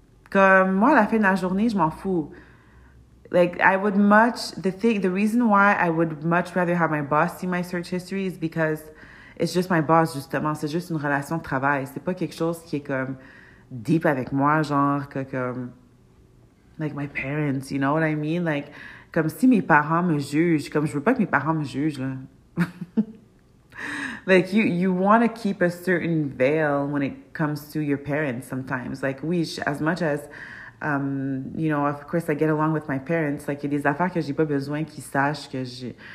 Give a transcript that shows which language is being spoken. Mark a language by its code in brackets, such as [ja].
[fr] Comme moi, à la fin de la journée, je m'en fous. [en] Like, the reason why I would much rather have my boss see my search history is because it's just my boss, justement. [fr] C'est juste une relation de travail. C'est pas quelque chose qui est comme deep avec moi, genre, comme, [en] like my parents, you know what I mean? [fr] Like, comme si mes parents me jugent. Comme je veux pas que mes parents me jugent, là. [en] Like, you want to keep a certain veil when it comes to your parents sometimes. Like, oui, as much as, you know, of course, I get along with my parents. [fr] Like, il y a des affaires que j'ai pas besoin qu'ils sachent que je...